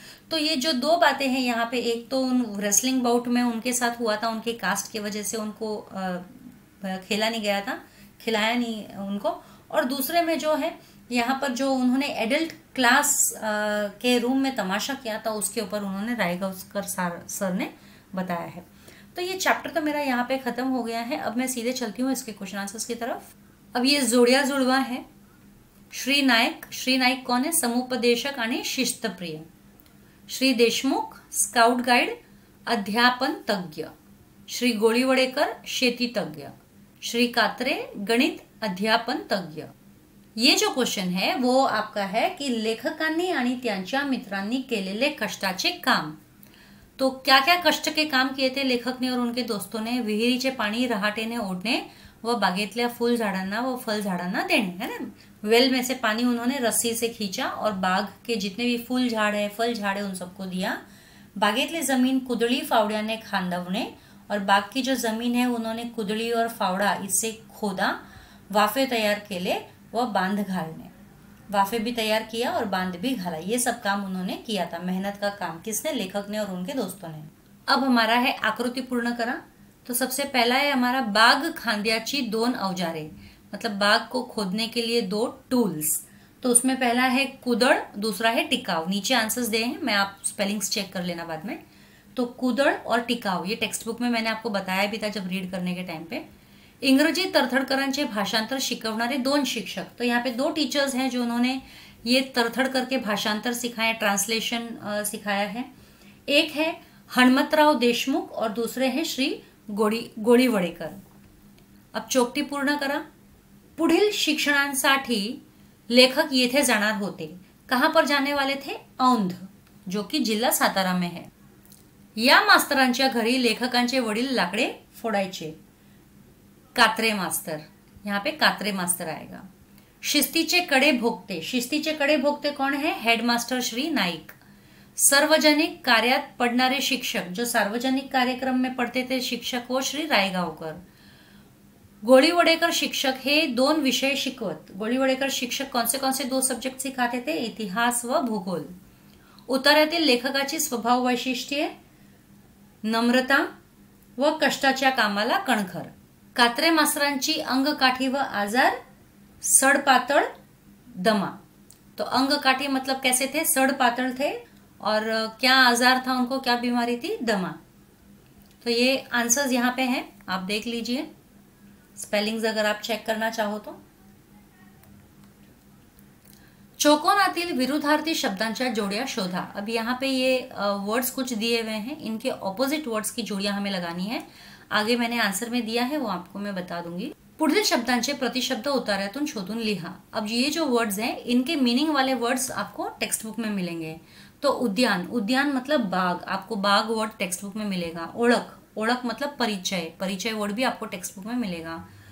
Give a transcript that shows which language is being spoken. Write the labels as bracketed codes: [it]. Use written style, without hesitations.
[hi] तो ये जो दो बातें हैं यहाँ पे, एक तो उन रेसलिंग बाउट में उनके साथ हुआ था, उनके कास्ट की वजह से उनको खेला नहीं गया था, खिलाया नहीं उनको, और दूसरे में जो है यहाँ पर जो उन्होंने एडल्ट क्लास के रूम में तमाशा किया था, उसके ऊपर उन्होंने रायगांवकर सर ने बताया है। तो ये चैप्टर तो मेरा यहाँ पे खत्म हो गया है। अब मैं सीधे चलती हूँ इसके क्वेश्चन आंसर्स की तरफ। अब ये जोड़िया जुड़वा है, श्री नायक, श्री नायक कौन है? [mr] समुपदेशक आणि शिस्तप्रिय. श्री देशमुख स्काउट गाइड अध्यापन तज्ञ. श्री गोळीवडेकर शेती तज्ञ. श्री कात्रे गणित अध्यापन तज्ञ. [hi] ये जो क्वेश्चन है वो आपका है कि [mr] लेखकांनी आणि त्यांच्या मित्रांनी केलेले कष्टाचे काम. [hi] तो क्या क्या कष्ट के काम किए थे लेखक ने और उनके दोस्तों ने? [mr] विहिरीचे पाणी रहाटेने ओढणे व बागेतल्या फूल झाडांना व फल झाडांना देणे, है ना. [hi] वेल में से पानी उन्होंने रस्सी से खींचा और बाग के जितने भी फूल झाड़ है, फल झाड़ है, उन सबको दिया. [mr] बागेतले जमीन कुदड़ी फावड़िया ने खांदवणे, [hi] और बाग की जो जमीन है उन्होंने कुदड़ी और फावड़ा इससे खोदा. [mr] वाफे तैयार केले व बांध घालणे. [hi] वाफे भी तैयार किया और बांध भी घाला. ये सब काम उन्होंने किया था, मेहनत का काम. किसने? लेखक ने और उनके दोस्तों ने. अब हमारा है [mr] आकृति पूर्ण करा. [hi] तो सबसे पहला है हमारा [mr] बाग खांद्याची दोन औजारे, [hi] मतलब बाग को खोदने के लिए दो टूल्स. तो उसमें पहला है कुदड़, दूसरा है टिकाव. नीचे आंसर्स दे हैं, मैं आप स्पेलिंग्स चेक कर लेना बाद में. तो कुदड़ और टिकाव, ये टेक्स्ट बुक में मैंने आपको बताया भी था जब रीड करने के टाइम पे. [mr] इंग्रजी तरथड़करण चे भाषांतर शिकवणारे दोन शिक्षक. [hi] तो यहाँ पे दो टीचर्स हैं जो उन्होंने ये तरथड़ करके भाषांतर सिखाया, ट्रांसलेशन सिखाया है. एक है हनुमतराव देशमुख और दूसरे हैं श्री गोळीवडेकर. [mr] अब चौकटी पूर्ण करा. पुढील शिक्षणांसाठी लेखक येथे जाणार होते. [hi] कहाँ पर जाने वाले थे? औंध, जो कि जिल्हा सातारा में है. [mr] या मास्तरांच्या घरी लेखकांचे वडील लाकडे फोडायचे. [hi] कात्रे मास्तर, यहाँ पे कात्रे मास्तर आएगा. [mr] शिस्तीचे कडे भोगते, शिस्तीचे कडे भोगते [hi] कौन है? [mr] हेडमास्टर श्री नाईक. सार्वजनिक कार्यात पडणारे शिक्षक, [hi] जो सार्वजनिक कार्यक्रम में पढ़ते थे शिक्षक, वो श्री रायगावकर. [mr] गोळीवडेकर शिक्षक हे दोन विषय शिकवत. [hi] गोळीवडेकर शिक्षक कौन से दो सब्जेक्ट सिखाते थे? [mr] इतिहास व भूगोल. उतारातील लेखकाची स्वभाव वैशिष्ट्ये, नम्रता व कष्टाच्या कामाला कणखर. कात्रे मास्तरांची अंगकाठी व आजार, सडपातळ दमा. [hi] तो अंगकाठी मतलब कैसे थे? सडपातळ थे. और क्या आजार था उनको, क्या बीमारी थी? दमा. तो ये आंसर्स यहाँ पे हैं, आप देख लीजिए स्पेलिंग्स अगर आप चेक करना चाहो तो. [mr] चौकोनातील विरुद्धार्थी शब्दांच्या जोड़िया शोधा. [hi] अब यहाँ पे ये वर्ड्स कुछ दिए हुए हैं, इनके ऑपोजिट वर्ड्स की जोड़िया हमें लगानी है. आगे मैंने आंसर में दिया है, वो आपको मैं बता दूंगी. [mr] पुढील शब्दांचे प्रतिशब्द उतारातून शोधून लिहा. [hi] अब ये जो वर्ड्स हैं इनके मीनिंग वाले वर्ड्स आपको टेक्स्ट बुक में मिलेंगे. तो उद्यान, उद्यान मतलब बाग, आपको बाग वर्ड टेक्स्ट बुक में मिलेगा. ओळख, ओळख मतलब परिचय, परिचय वर्ड भी आपको टेक्स्ट बुक में मिलेगा.